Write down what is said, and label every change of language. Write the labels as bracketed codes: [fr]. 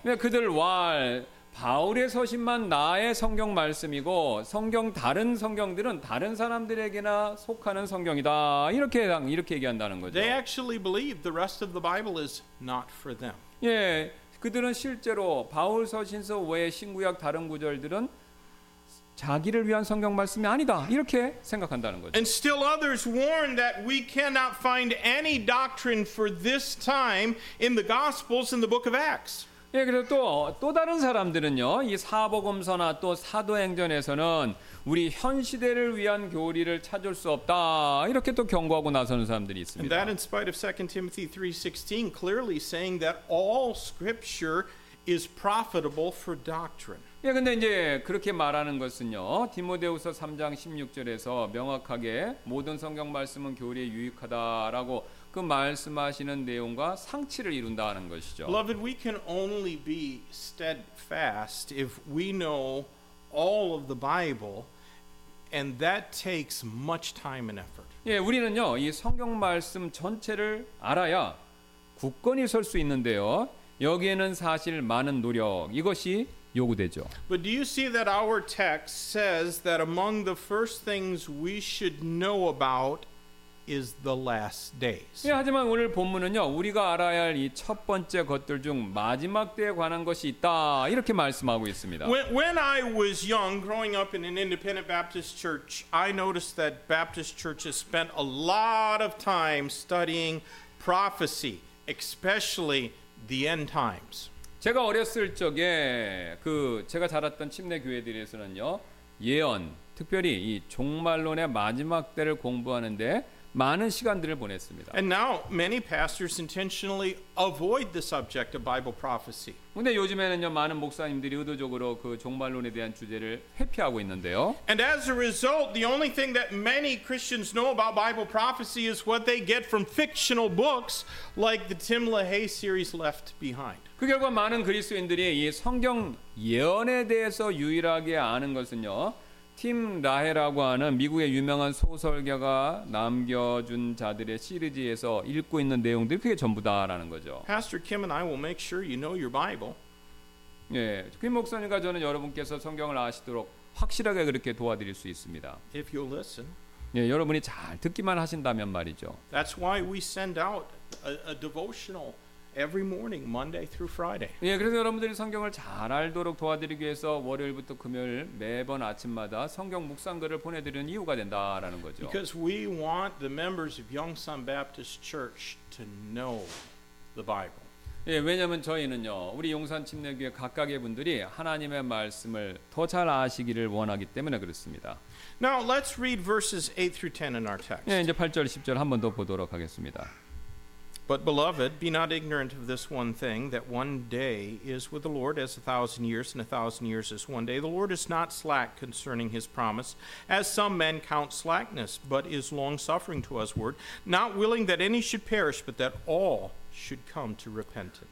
[ko] 네, 그들 왈 바울의 서신만 나의 성경 말씀이고 성경 다른 성경들은 다른 사람들에게나 속하는 성경이다. 이렇게 얘기한다는 거죠. [en] They actually believe the rest of the Bible is not for them. [ko] 예. 네, 그들은 실제로 바울 서신서 외에 신구약 다른 구절들은 자기를 위한 성경 말씀이 아니다 이렇게 생각한다는 거죠. [en] And still others warn that we cannot find any doctrine for this time in the Gospels in the Book of Acts. [ko] 예, 그래서 또 다른 사람들은요, 이 사복음서나 또 사도행전에서는 우리 현 시대를 위한 교리를 찾을 수 없다 이렇게 또 경고하고 나서는 사람들이 있습니다. [en] And that, in spite of 2 Timothy 3:16, clearly saying that all Scripture is profitable for doctrine. [ko] 예, 근데 이제 그렇게 말하는 것은요, 디모데후서 3장 16절에서 명확하게 모든 성경 말씀은 교리에 유익하다라고 그 말씀하시는 내용과 상치를 이룬다는 것이죠. [en] Beloved, we can only be steadfast if we know all of the Bible, and that takes much time and effort. [ko] 예, 우리는요, 이 성경 말씀 전체를 알아야 굳건히 설 수 있는데요, 여기에는 사실 많은 노력, 이것이 요구되죠. [en] But do you see that our text says that among the first things we should know about is the last days? [ko] 예, 하지만 오늘 본문은요, 우리가 알아야 할 이 첫 번째 것들 중 마지막 때에 관한 것이 있다 이렇게 말씀하고 있습니다. [en] When I was young, growing up in an independent Baptist church, I noticed that Baptist churches spent a lot of time studying prophecy, especially the end times. [ko] 제가 어렸을 적에 그 제가 자랐던 침례 교회들에서는요, 예언, 특별히 이 종말론의 마지막 때를 공부하는데 많은 시간들을 보냈습니다. [en] And now many pastors intentionally avoid the subject of Bible prophecy. [ko] 근데 요즘에는요, 많은 목사님들이 의도적으로 그 종말론에 대한 주제를 회피하고 있는데요. [en] And as a result, the only thing that many Christians know about Bible prophecy is what they get from fictional books like the Tim LaHaye series Left Behind. [ko] 그 결과 많은 그리스도인들이 이 성경 예언에 대해서 유일하게 아는 것은요, 팀 라헤라고 하는 미국의 유명한 소설가가 남겨준 자들의 시리즈에서 읽고 있는 내용들이 그게 전부다라는 거죠. [en] Pastor Kim and I will make sure you know your Bible. [ko] 예, 김 목사님과 저는 여러분께서 성경을 아시도록 확실하게 그렇게 도와드릴 수 있습니다. [en] If you'll listen. [ko] 예, 여러분이 잘 듣기만 하신다면 말이죠. [en] That's why we send out a devotional every morning, Monday through Friday. [ko] 예, 그래서 여러분들이 성경을 잘 알도록 도와드리기 위해서 월요일부터 금요일 매번 아침마다 성경 묵상글을 보내드리는 이유가 된다라는 거죠. [en] Because we want the members of Yongsan Baptist Church to know the Bible. [ko] 예, 왜냐하면 저희는요, 우리 용산 침례교회 각각의 분들이 하나님의 말씀을 더 잘 아시기를 원하기 때문에 그렇습니다. [en] Now let's read verses 8 through 10 in our text. [ko] 예, 이제 8절, 10절 한 번 더 보도록 하겠습니다. [en] But beloved, be not ignorant of this one thing, that one day is with the Lord as 1,000 years, and 1,000 years as one day. The Lord is not slack concerning his promise, as some men count slackness, but is long-suffering to usward, not willing that any should perish, but that all should come to repentance.